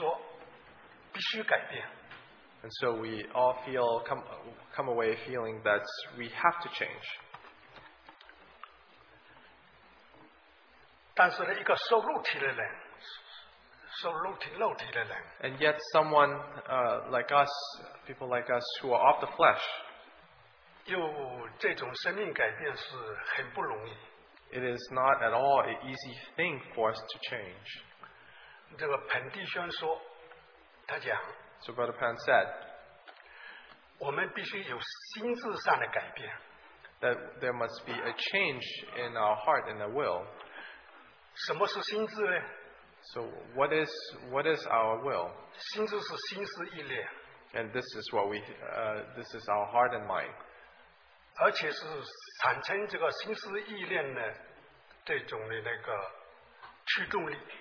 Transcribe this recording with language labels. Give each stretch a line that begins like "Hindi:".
Chinese: 这个我们就说必须改变。
English: And so we all feel come away feeling that we have to change.
Chinese: 但是呢，一个受肉体的人，受肉体肉体的人。
English: And yet someone like us, people like us who are of the flesh,
Chinese: 又这种生命改变是很不容易。
English: It is not at all an easy thing for us to change.
Chinese: 这个彭弟兄说, 他讲,
English: so Brother Pan said,
Chinese: 我们必须有心智上的改变,
English: that there must be a change in our heart and our will.
Chinese: 什么是心智呢?
English: So what is our will?
Chinese: 心智是心思意念,
English: and this is what we this is our heart and mind.
Chinese: 而且是产生这个心思意念的这种的那个驱动力。